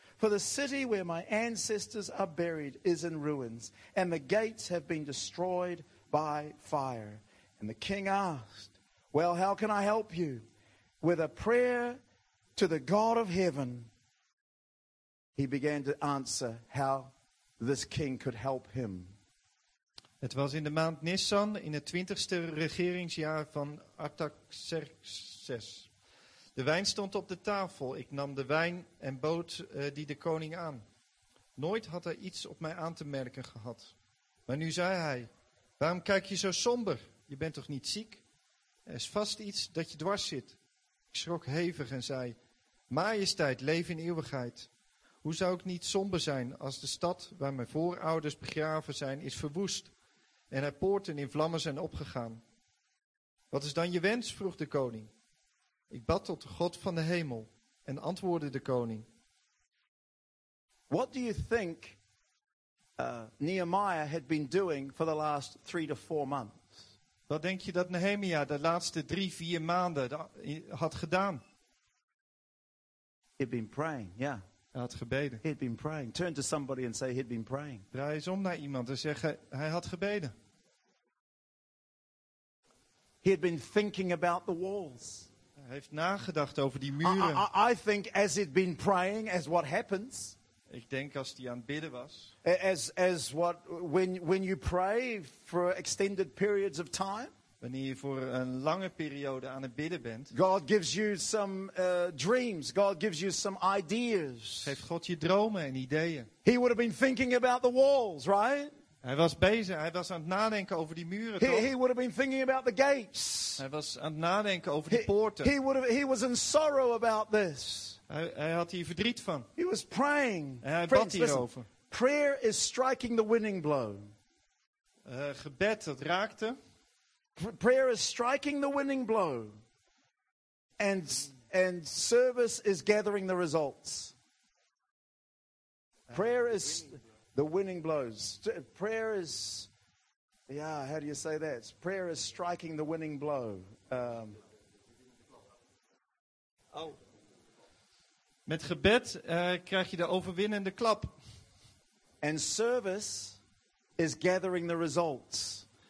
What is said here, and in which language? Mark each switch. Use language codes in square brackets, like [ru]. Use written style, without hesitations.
[en] For the city where my ancestors are buried is in ruins, and the gates have been destroyed by fire. And the king asked, well, how can I help you? With a prayer to the God of heaven. He began to answer, how this king could help him. [nl] Het was in de maand Nisan, in het 20e regeringsjaar van Artaxerxes. De wijn stond op de tafel. Ik nam de wijn en bood die de koning aan. Nooit had hij iets op mij aan te merken gehad. Maar nu zei hij: waarom kijk je zo somber? Je bent toch niet ziek? Er is vast iets dat je dwars zit. Ik schrok hevig en zei: majesteit, leef in eeuwigheid. Hoe zou ik niet somber zijn als de stad waar mijn voorouders begraven zijn is verwoest en haar poorten in vlammen zijn opgegaan? Wat is dan je wens? Vroeg de koning. Ik bad tot de God van de hemel en antwoordde de koning. [en] What do you think Nehemiah had been doing for the last 3 to 4 months? [nl] Wat denk je dat Nehemia de laatste 3-4 maanden had gedaan? [en] He'd been praying, yeah. [nl] Hij had gebeden. [en] He'd been praying. Turn to somebody and say he'd been praying. [nl] Draai eens om naar iemand en zeg hij had gebeden. [en] He had been thinking about the walls. [nl] Hij heeft nagedacht over die muren. [en] I think as he'd been praying, as what happens. [nl] Ik denk als hij aan het bidden was. [en] As what when you pray for extended periods of time. [nl] Wanneer je voor een lange periode aan het bidden bent. [en] God gives you some dreams. God gives you some ideas. [nl] Geeft God je dromen en ideeën. [en] He would have been thinking about the walls, right? [nl] Hij was bezig. Hij was aan het nadenken over die muren. [en] He would have been thinking about the gates. [nl] Hij was aan het nadenken over die poorten. [en] He was in sorrow about this. [nl] Hij had hier verdriet van. [en] He was praying. [nl] En hij bad hierover. [en] Prayer is striking the winning blow. [nl] Gebed, dat raakte. [en] Prayer is striking the winning blow. And service is gathering the results. Prayer is the winning blows. Prayer is, yeah, how do you say that? Prayer is striking the winning blow. [nl] Met gebed krijg je de overwinnende klap. [en] And service is gathering the results.